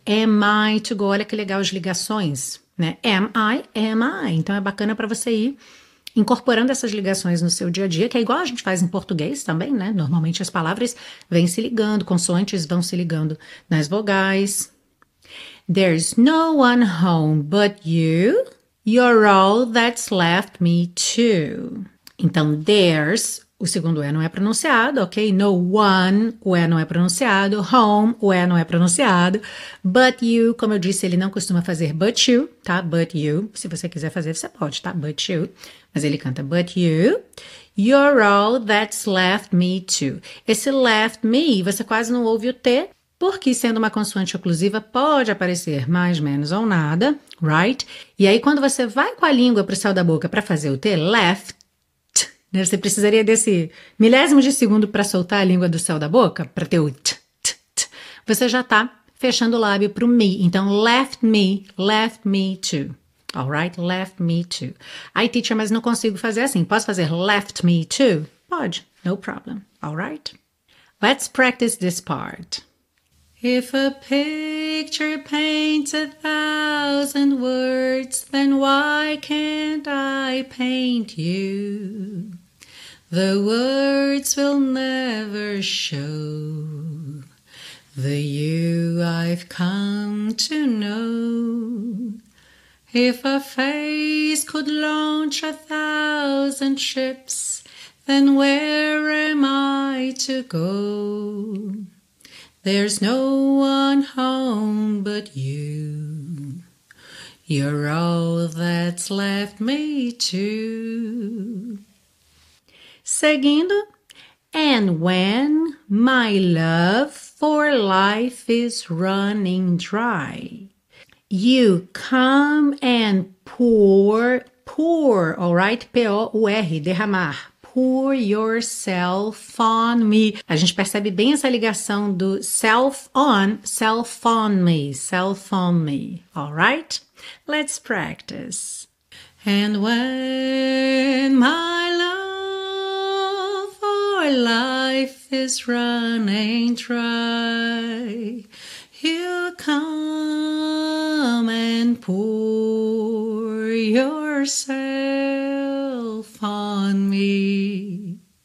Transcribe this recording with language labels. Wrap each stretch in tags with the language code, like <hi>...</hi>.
<en>Am I to go?</en> <pt>Olha que legal as ligações, né? Am I? Então é bacana para você ir incorporando essas ligações no seu dia a dia, que é igual a gente faz em português também, né? Normalmente as palavras vêm se ligando, consoantes vão se ligando nas vogais.</pt> <en>There's no one home but you. You're all that's left me too.</en> <pt>Então, there's, o segundo E não é pronunciado, ok? No one, o E não é pronunciado. Home, o E não é pronunciado. But you, como eu disse, ele não costuma fazer but you, tá? But you, se você quiser fazer, você pode, tá? But you. Mas ele canta but you.</pt> <en>You're all that's left me too.</en> <pt>Esse left me, você quase não ouve o T. Porque, sendo uma consoante oclusiva, pode aparecer mais, menos ou nada, right? E aí, quando você vai com a língua para o céu da boca para fazer o T, left, né, você precisaria desse milésimo de segundo para soltar a língua do céu da boca, para ter o t, t, t. Você já está fechando o lábio para o me. Então, left me too. Alright? Left me too. Ai, teacher, mas não consigo fazer assim. Posso fazer left me too? Pode,</pt> <en>no problem.</en> <pt>Alright?</pt> <en>Let's practice this part. If a picture paints a thousand words, then why can't I paint you? The words will never show the you I've come to know. If a face could launch a thousand ships, then where am I to go? There's no one home but you. You're all that's left me too. Seguindo, and when my love for life is running dry, you come and pour, all right? POUR, derramar. Pour yourself on me.</en> <pt>A gente percebe bem essa ligação do self on, self on me, all right?</pt> <en>Let's practice. And when my love for life is running dry, you come and pour yourself on me.</en>